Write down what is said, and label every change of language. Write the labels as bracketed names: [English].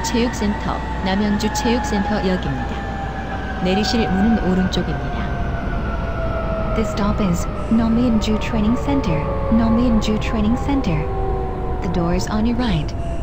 [Korean] Namyeongju Cheukcenter역입니다. 내리실 문은 오른쪽입니다. [English] This stop is Namyeongju Training Center, Namyeongju Training Center. The door is on your right.